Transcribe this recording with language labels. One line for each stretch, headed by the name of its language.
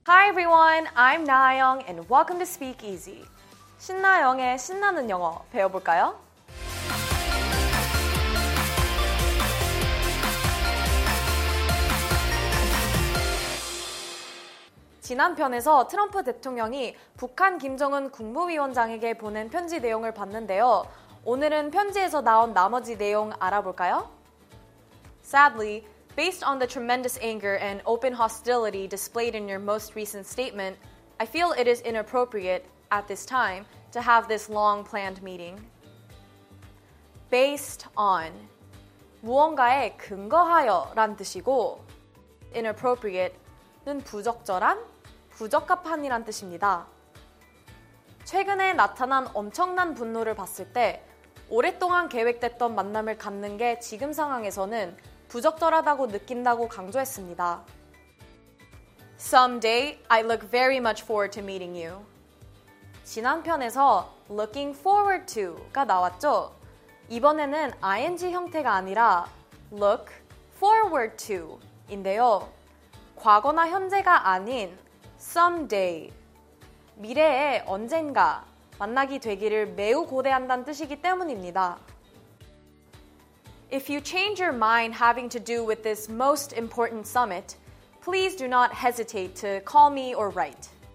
English: Hi everyone, I'm Nayoung and welcome to Speak Easy.
Korean: 신나영의 신나는 영어 배워볼까요? 지난 편에서 트럼프 대통령이 북한 김정은 국무위원장에게 보낸 편지 내용을 봤는데요. 오늘은 편지에서 나온 나머지 내용 알아볼까요?
English: Sadly, based on the tremendous anger and open hostility displayed in your most recent statement, I feel it is inappropriate at this time to have this long-planned meeting.
Korean: Based on 무언가에 근거하여 란 뜻이고 inappropriate는 부적절한, 부적합한이란 뜻입니다. 최근에 나타난 엄청난 분노를 봤을 때 오랫동안 계획됐던 만남을 갖는 게 지금 상황에서는 부적절하다고 느낀다고 강조했습니다.
English: Someday, I look very much forward to meeting you.
Korean: 지난 편에서 looking forward to가 나왔죠. 이번에는 ing 형태가 아니라 look forward to인데요. 과거나 현재가 아닌 someday, 미래에 언젠가 만나기 되기를 매우 고대한다는 뜻이기 때문입니다.
English: If you change your mind having to do with this most important summit, please do not hesitate to call me or write.